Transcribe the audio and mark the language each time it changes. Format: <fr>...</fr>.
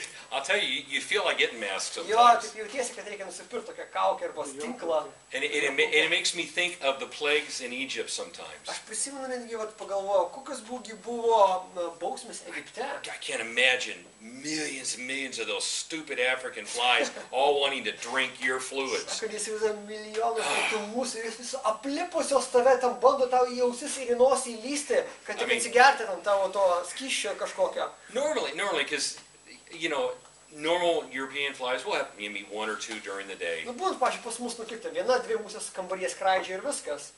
<en>I'll tell you, you feel like getting masks sometimes.</en> <lt>Jo, taip jautiesi, kad reikia nusipirkti tokią kaukę arba stinklą.</lt> <en>And it makes me think of the plagues in Egypt sometimes.</en> <lt>Aš prisimenu netgi, vat pagalvojau, kokios buvo bausmės Egipte.</lt> <en>I can't imagine millions and millions of those stupid African flies all wanting to drink your fluids.</en> <lt>Sakai, įsivaizduoji milijonus tų musių, jos visos aplipusios tave, tam bando tau į ausis ir į nosį įlysti, kad tik atsigerti tam tavo to skysčio kažkokio.</lt> <en>Normally, because you know, normal European flies will have maybe one or two during the day.</en> <lt>Nu, būtent, pavyzdžiui, pas mus nukirta viena, dvi musės kambaryje skraidžia ir viskas.</lt>